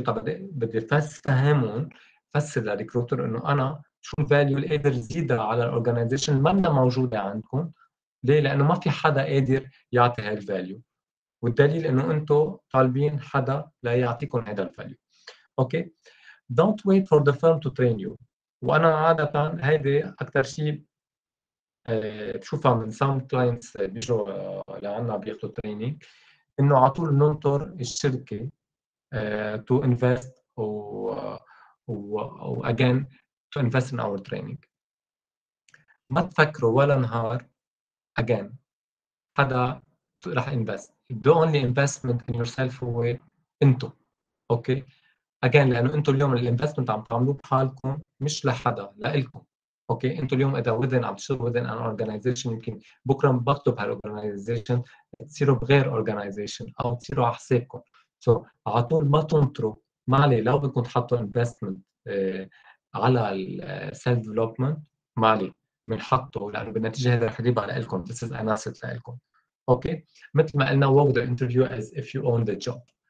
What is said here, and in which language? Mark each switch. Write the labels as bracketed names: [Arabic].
[Arabic] طب بدي فهمهم فسر للريكروتر إنه أنا شو فاليو اللي قادر زيدها على الأورجانيزيشن ما أنا موجودة عندكم. ليه؟ لأنه ما في حدا قادر يعطي هالفاليو, والدليل انه انتو طالبين حدا لا يعطيكم هذا الفاليو. [English] Okay, don't wait for the firm to train you. [Arabic] وانا عادة هيدي اكتر شيء بشوفها من [English] some clients [Arabic] بيجوا لعنا بياخدوا training انه عطول ننطر الشركة [English] to invest [Arabic] و again [English] to invest in our training. [Arabic] ما تفكروا ولا نهار again حدا راح invest. [English] The only investment in yourself [Arabic] هو انتو. Okay, again لأنه انتو اليوم الانفستمنت عم تعملو بحالكم مش لحدا, لإلكم. Okay, انتو اليوم إذا within عم تشتغل [English] within an organization [Arabic] يمكن بكرة مبطلوا بهالorganization تصيروا بغير organization أو تصيروا على حسابكم. So عطول ما تنطروا معلي لو بكون تحطوا investment على [English] self development [Arabic] معلي بنحطوا لأنه بالنتيجة هذا رح يجيب على إلكم. [English] This is an asset [Arabic] لإلكم. [English] Okay, [Arabic] مثل ما قلنا [English] work the interview as if you own the job.